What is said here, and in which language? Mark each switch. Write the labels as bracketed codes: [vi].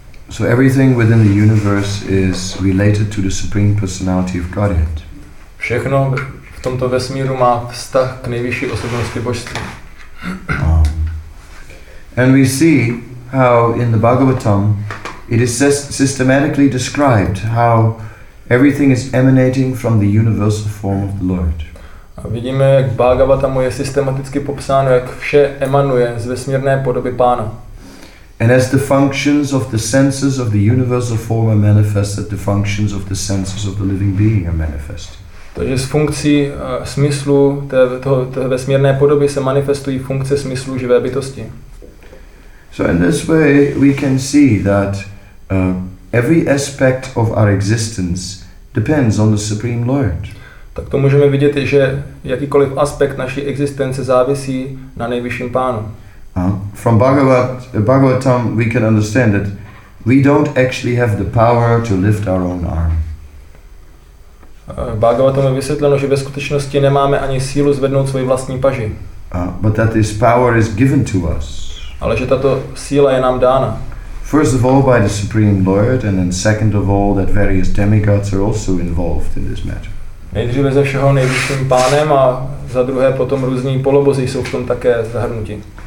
[en] So everything within the universe is related to the Supreme Personality of Godhead. [cs] Všechno v tomto vesmíru má vztah k nejvyšší osobnosti božství. [en] And we see how in the Bhagavatam it is systematically described how everything is emanating from the universal form of the Lord. [cs] A vidíme, jak v Bhagavatamu je systematicky popsáno, jak vše emanuje z vesmírné podoby pána. [en] And as the functions of the senses of the universal form are manifested, the functions of the senses of the living being are manifested. [cs] Takže z funkcí smyslu té vesmírné podoby se manifestují funkce smyslu živé bytosti. [en] So in this way we can see that every aspect of our existence depends on the Supreme Lord. [cs] tak to můžeme vidět, že jakýkoliv aspekt naší existence závisí na nejvyšším pánu. [en] From Bhagavatam we can understand that we don't actually have the power to lift our own arm. [cs] Bhagavatam je vysvětleno, že ve skutečnosti nemáme ani sílu zvednout svoji vlastní paži. [en] But that this power is given to us. [cs] Ale že tato síla je nám dána. [en] First of all by the Supreme Lord, and then second of all that various demigods are also involved in this matter. [cs] Nejdříve ze všeho nejvyšším pánem a za druhé potom různí polobozy jsou v tom také zahrnuti.